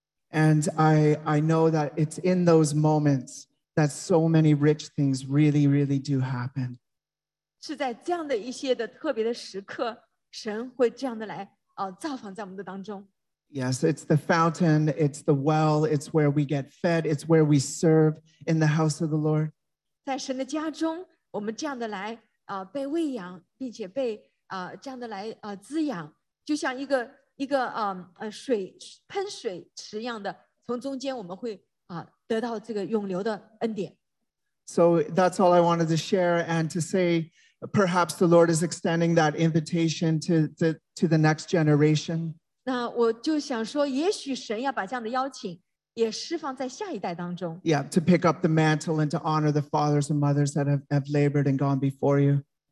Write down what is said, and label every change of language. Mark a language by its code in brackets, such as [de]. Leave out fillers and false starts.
[en] And I know that it's in those moments that so many rich things really, really do happen. Yes, it's the fountain, it's the well, it's where we get fed, it's where we serve in the house of the Lord. [zh] 在神的家中, 我们这样的来, 被喂养, 并且被, 这样的来, 滋养, 就像一个, 一个, 水, 喷水池一样的, 从中间我们会, 得到这个永留的恩典。 [en] So that's all I wanted to share and to say, perhaps the Lord is extending that invitation to the next generation. [zh] 那我就想说也许神要把这样的邀请也释放在下一代当中。 [en] Yeah, to pick up the mantle and to honor the fathers and mothers that have labored and gone before you.